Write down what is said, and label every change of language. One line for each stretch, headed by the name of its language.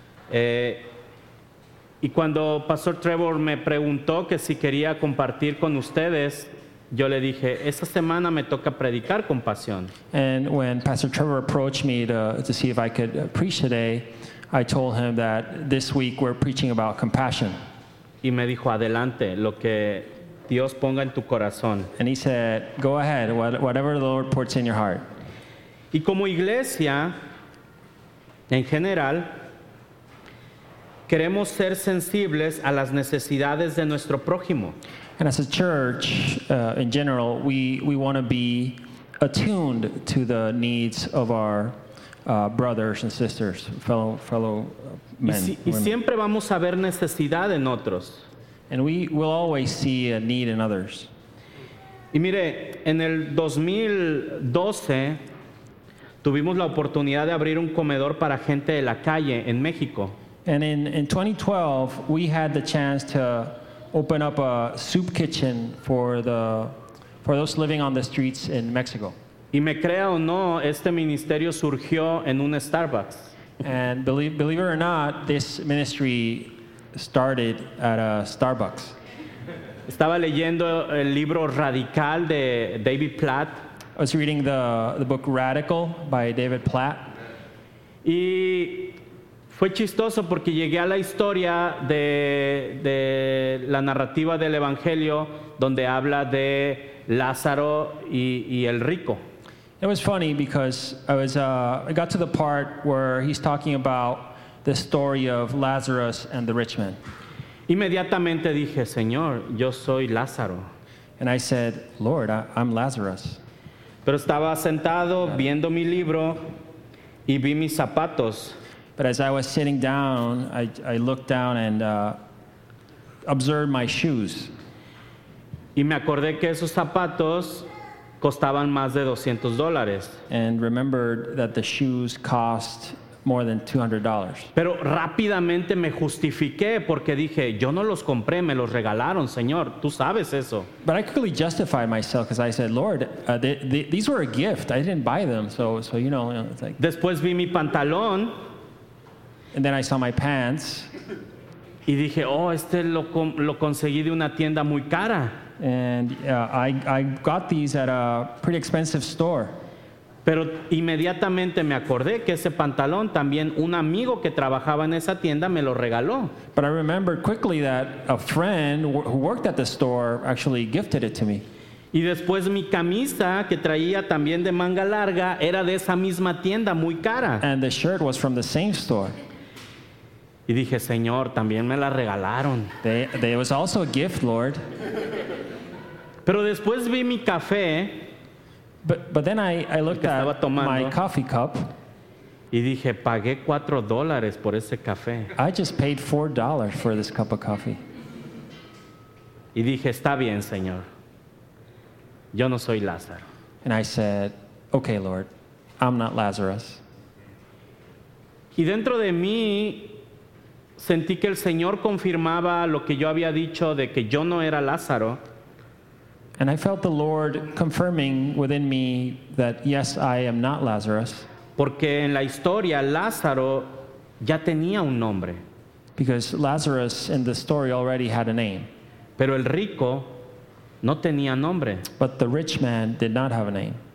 Spanish: Y cuando Pastor Trevor me preguntó que si quería compartir con ustedes, yo le dije, esta semana me toca predicar compasión.
English: And when Pastor Trevor approached me to see if I could preach today, I told him that this week we're preaching about compassion.
Spanish: Y me dijo, adelante, lo que Dios ponga en tu corazón.
English: And he said, go ahead, whatever the Lord puts in your heart.
Spanish: Y como iglesia, en general, queremos ser sensibles a las necesidades de nuestro prójimo.
English: And as a church, in general, we want to be attuned to the needs of our brothers and sisters, fellow men.
Spanish: Y siempre vamos a ver necesidad en otros.
English: And we will always see a need in others.
Spanish: Y mire, en el 2012, Tuvimos la oportunidad de abrir un comedor para gente de la calle en México.
English: And in 2012, we had the chance to open up a soup kitchen for those living on the streets in Mexico.
Spanish: Y me crea o no, este ministerio surgió en un Starbucks.
English: And believe it or not, this ministry started at a Starbucks.
Spanish: Estaba leyendo el libro Radical de David Platt.
English: I was reading the book Radical by David Platt.
Spanish: Y fue chistoso porque llegué a la historia de la narrativa del Evangelio donde habla de Lázaro y el rico.
English: It was funny because I got to the part where he's talking about the story of Lazarus and the rich man.
Spanish: Inmediatamente dije, Señor, yo soy Lázaro.
English: And I said, Lord, I'm Lazarus.
Spanish: Pero estaba sentado viendo mi libro y vi mis zapatos.
English: But as I was sitting down, I looked down and observed my shoes.
Spanish: Y me acordé que esos zapatos costaban más de $200.
English: And remembered that the shoes cost more than $200.
Spanish: Pero rápidamente me justifiqué porque dije, yo no los compré, me los regalaron, Señor. Tú sabes eso.
English: But I quickly justified myself because I said, Lord, these were a gift. I didn't buy them. So you know, it's like.
Spanish: Después vi mi pantalón.
English: And then I saw my pants.
Spanish: Y dije, oh, este lo conseguí de una tienda muy cara.
English: And I got these at a pretty expensive store.
Spanish: Pero inmediatamente me acordé que ese pantalón también un amigo que trabajaba en esa tienda me lo regaló.
English: But I remember quickly that a friend who worked at the store actually gifted it to me.
Spanish: Y después mi camisa que traía también de manga larga era de esa misma tienda muy cara.
English: And the shirt was from the same store.
Spanish: Y dije, Señor, también me la regalaron.
English: It was also a gift, Lord.
Spanish: Pero después vi mi café.
English: But then I looked at my coffee cup.
Spanish: Y dije, pagué $4 por ese café.
English: I just paid $4 for this cup of coffee.
Spanish: Y dije, está bien, Señor. Yo no soy Lázaro.
English: And I said, okay, Lord, I'm not Lazarus.
Spanish: Y dentro de mí sentí que el Señor confirmaba lo que yo había dicho de que yo no era Lázaro.
English: And I felt the Lord confirming within me that yes, I am not Lazarus.
Spanish: Porque en la historia Lázaro ya tenía un nombre.
English: Because Lazarus in the story already had a name.
Spanish: Pero el rico no tenía nombre.
English: But the rich man did not have a name.